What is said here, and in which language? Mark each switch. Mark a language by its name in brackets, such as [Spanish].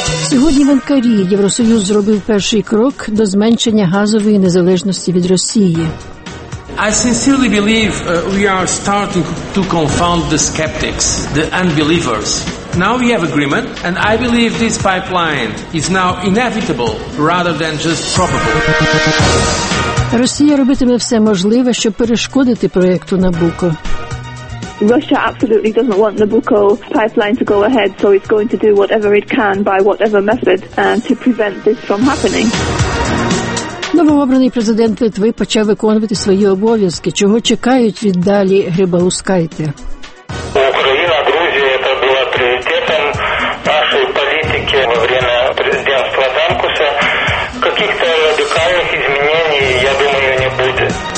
[Ukrainian] Сьогодні в Анкарі Євросоюз зробив перший крок до зменшення газової незалежності від Росії. [English] I sincerely believe we are starting to confound the skeptics, the unbelievers. Now we have agreement, and I believe this pipeline is now inevitable rather than just probable. [Ukrainian] Росія робитиме все можливе, щоб перешкодити проєкту Набуко. [English] Russia absolutely doesn't want Nabucco pipeline to go ahead, so it's going to do whatever it can by whatever method to prevent this from happening. [Ukrainian] Новообраний президент Литви почав виконувати свої обов'язки. Чого чекають від далі Грибаускайте? Україна, Грузія, це була пріоритетом нашої політики [Russian] во время [Ukrainian] президентства Данкуса. [Russian] Каких-то [Ukrainian] радикальних змін, я думаю, не буде.